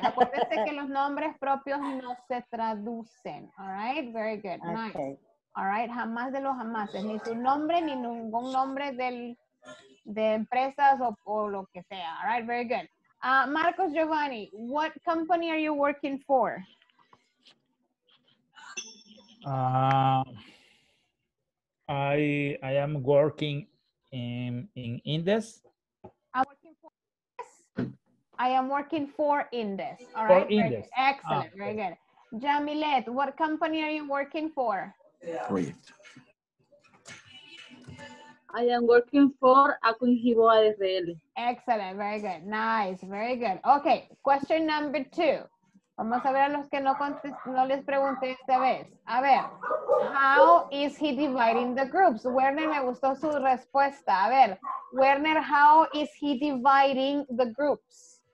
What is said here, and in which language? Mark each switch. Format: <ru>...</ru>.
<es>Acuérdese que los nombres propios no se traducen.</es> <en>All right? Very good. Nice. Okay. All right,</en> <es>jamás de los jamases, ni su nombre ni ningún nombre de empresas o lo que sea.</es> <en>All right, very good. Marcos Giovanni, what company are you working for? I am working in Indes. I'm working for Indes. I am working for Indes. All right, for Indes. Excellent, very good. Jamilet, what company are you working for? Yeah. I am working for Acuijibo ARL. Excellent, very good. Nice, very good. Okay, question number two.</en> <es>Vamos a ver a los que no les pregunté esta vez. A ver,</es> <en>how is he dividing the groups? Werner,</en> <es>me gustó su respuesta. A ver,</es> <en>Werner, how is he dividing the groups?</en>